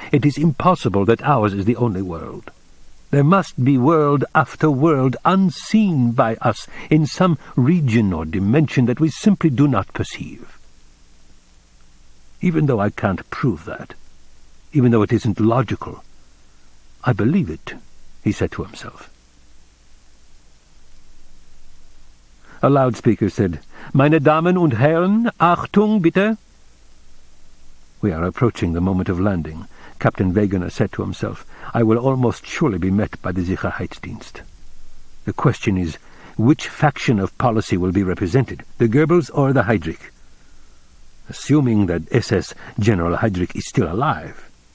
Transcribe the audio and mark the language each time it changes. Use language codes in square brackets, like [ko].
[en] It is impossible that ours is the only world. There must be world after world unseen by us in some region or dimension that we simply do not perceive. Even though I can't prove that, even though it isn't logical, I believe it, he said to himself. A loudspeaker said, [de] Meine Damen und Herren, Achtung bitte! [en] We are approaching the moment of landing, Captain Wegener said to himself. I will almost surely be met by the Sicherheitsdienst. The question is, which faction of policy will be represented, the Goebbels or the Heydrich? Assuming that SS General Heydrich is still alive.